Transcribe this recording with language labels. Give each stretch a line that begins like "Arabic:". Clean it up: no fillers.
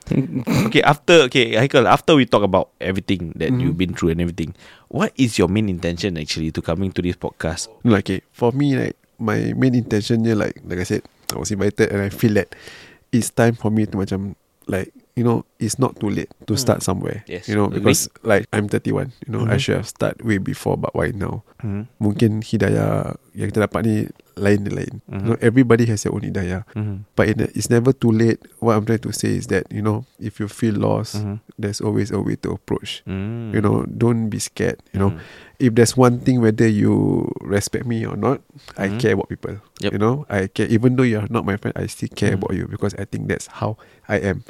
English: Okay, after, okay, Haikal, after we talk about everything that you've been through and everything, what is your main intention actually to coming to this podcast? Okay, for me, like, my main intention, like I said, I was invited and I feel that it's time for me to, macam, like, you know, it's not too late to start somewhere. Yes. You know, because, like, I'm 31, you know, I should have started way before, but why now?
Malay: Mungkin hidayah yang kita dapat ni lain-lain.
English: You know, everybody has their own hidayah. But it's never too late. What I'm trying to say is that, you know, if you feel lost, there's always a way to approach. You know, don't be scared. You know, if there's one thing, whether you respect me or not, I care about people. Yep. You know, I care. Even though you're not my friend, I still care about you, because I think that's how I am.